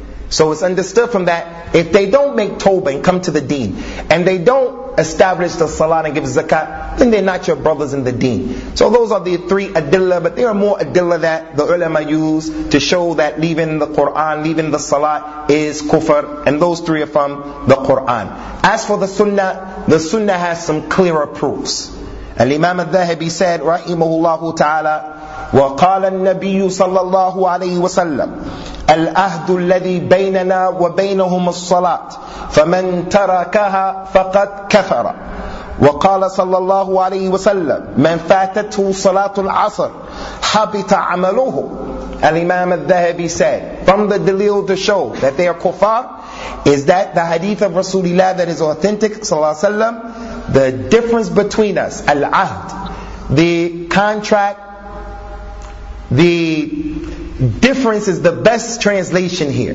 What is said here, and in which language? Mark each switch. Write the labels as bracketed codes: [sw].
[en] So it's understood from that, if they don't make tawbah and come to the deen, and they don't establish the salah and give zakat, then they're not your brothers in the deen. So those are the three adilla, but there are more adilla that the ulama use to show that leaving the Qur'an, leaving the salah is kufr, and those three are from the Qur'an. As for the sunnah has some clearer proofs. Al-Imam al-Dhahabi said, rahimahullahu ta'ala, [ar] وقال النبي صلى الله عليه وسلم العهد الذي بيننا وبينهم الصلاة فمن تركها فقد كفر وقال صلى الله عليه وسلم من فاتته صلاة العصر حبط عمله. [en] الإمام الذهبي said, from the dalil to show that they are kuffar is that the hadith of Rasulullah that is authentic [ar] صلى الله عليه وسلم, [en] the difference between us, العهد, the contract, the difference is the best translation here.